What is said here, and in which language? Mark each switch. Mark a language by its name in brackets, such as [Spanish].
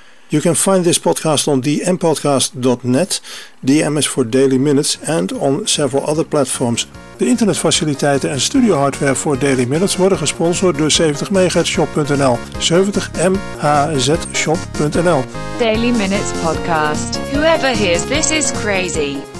[English] You can find this podcast on dmpodcast.net, DM is for Daily Minutes, and on several other platforms. [Dutch] De internetfaciliteiten en studio hardware voor Daily Minutes worden gesponsord door 70MHzShop.nl. 70MHzShop.nl. [English] Daily Minutes Podcast. Whoever hears this is crazy.